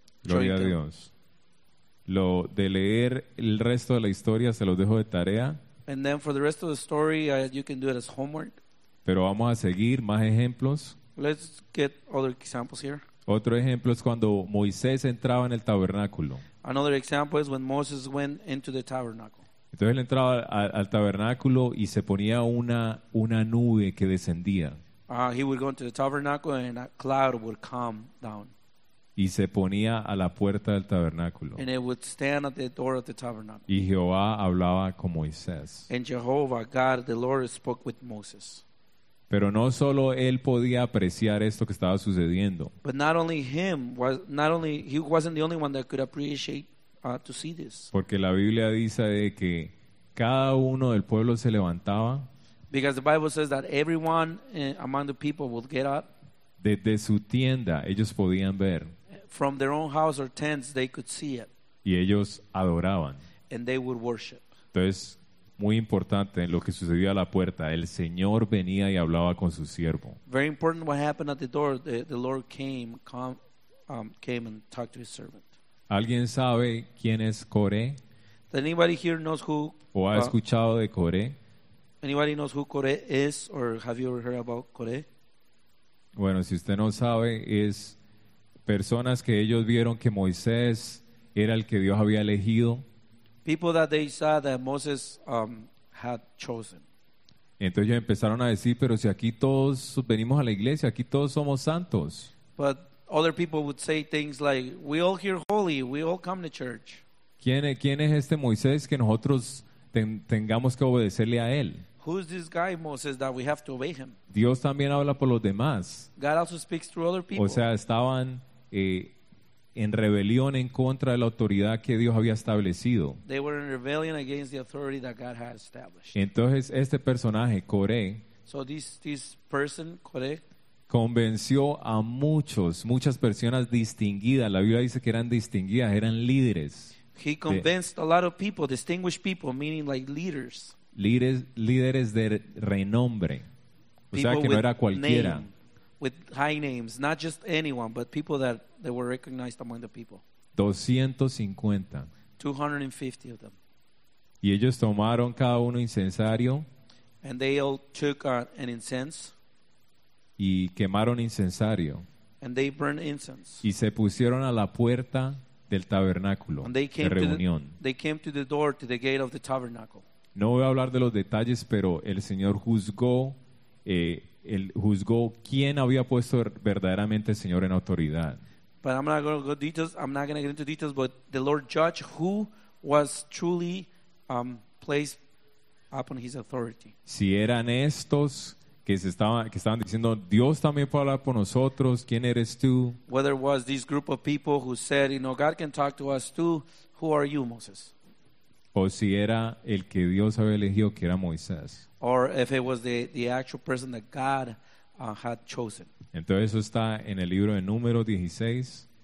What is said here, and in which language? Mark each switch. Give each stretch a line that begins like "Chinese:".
Spanish: Gloria a Dios. Lo de leer el resto de la historia se los dejo de tarea.
English: And then for the rest of the story, you can do it as homework.
Spanish: Pero vamos a seguir más ejemplos.
English: Let's get other examples here.
Spanish: Otro ejemplo es cuando Moisés entraba en el tabernáculo.
English: Another example is when Moses went into the tabernacle.
Spanish: Entonces él entraba al tabernáculo y se ponía una nube que descendía.
English: He would go into the tabernacle and a cloud would come down.
Spanish: Y se ponía a la puerta del tabernáculo.
English: And it would stand at the door of the tabernacle.
Spanish: Y Jehová hablaba con Moisés.
English: And Jehovah, God, the Lord, spoke with Moses.
Spanish: Pero no solo él podía apreciar esto que estaba sucediendo.
English: But not only him, he wasn't the only one that could appreciate to see this.
Spanish: Porque la Biblia dice de que cada uno del pueblo se levantaba.
English: Because the Bible says that everyone among the people would get up.
Spanish: Desde su tienda ellos podían ver.
English: From their own house or tents they could see it.
Spanish: Y ellos adoraban.
English: And they would worship.
Spanish: Entonces, muy importante lo que sucedió a la puerta. El Señor venía y hablaba con su siervo.
English: Very important what happened at the door. The Lord came and talked to his servant.
Spanish: ¿Alguien sabe quién es Coré?
English: Does anybody here knows who?
Spanish: ¿O ha escuchado de Coré?
English: Anybody knows who Coré is or have you ever heard about Coré?
Spanish: Bueno, si usted no sabe, es personas que ellos vieron que Moisés era el que Dios había elegido.
English: People that they saw that Moses had chosen.
Spanish: Entonces ellos empezaron a decir, pero si aquí todos venimos a la iglesia, aquí todos somos santos.
English: But other people would say things like, we all here holy, we all come to church.
Spanish: ¿Quién es este Moisés que nosotros tengamos que obedecerle a él?
English: Who's this guy, Moses, that we have to obey him?
Spanish: Dios también habla por los demás.
English: God also speaks through other people.
Spanish: O sea, estaban en rebelión en contra de la autoridad que Dios había establecido.
English: They were in rebellion against the authority that God had established.
Spanish: Entonces, este personaje, Coré,
English: so this person, Coré,
Spanish: convenció a muchas personas distinguidas. La Biblia dice que eran distinguidas, eran líderes.
English: He convinced a lot of people, distinguished people, meaning like leaders.
Spanish: Líderes de renombre. O sea, que no era cualquiera.
English: With high names, not just anyone, but people that they were recognized among the people. 250 of them.
Spanish: Y ellos tomaron cada uno incensario.
English: And they all took an incense.
Spanish: Y quemaron incensario.
English: And they burned incense.
Spanish: Y se pusieron a la puerta del tabernáculo de reunión.
English: They came to the door, to the gate of the tabernacle.
Spanish: No voy a hablar de los detalles, pero el Señor juzgó quién había puesto verdaderamente el Señor en autoridad.
English: But I'm not going to go details. I'm not going to get into details. But the Lord judged who was truly placed upon His authority.
Spanish: Si eran estos que estaban diciendo Dios también puede hablar por nosotros. ¿Quién eres tú?
English: Whether it was this group of people who said, you know, God can talk to us too. Who are you, Moses?
Spanish: O si era el que Dios había elegido, que era Moisés.
English: Or if it was the actual person that God had chosen.
Spanish: Entonces eso está en el libro de Números 16.